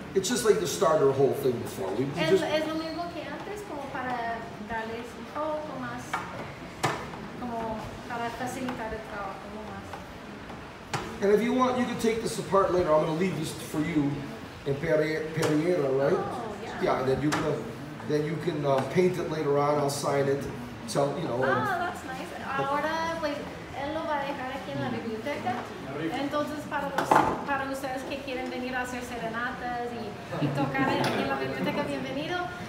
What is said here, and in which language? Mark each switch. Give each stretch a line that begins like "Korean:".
English: It's just like the starter hole thing before.
Spanish: Es lo mismo que antes, como para darles un poco más, como para facilitar el trabajo más.
English: And if you want, you can take this apart later. I'm going to leave this for you in Pereira, right? Oh, yeah. Yeah, then you can paint it later on. I'll sign it. So, you know. Oh, that's nice.
Spanish: Ahora, pues, él lo va a dejar aquí en la biblioteca. Entonces, para ustedes que quieren venir a hacer serenatas y tocar aquí en la biblioteca, bienvenido.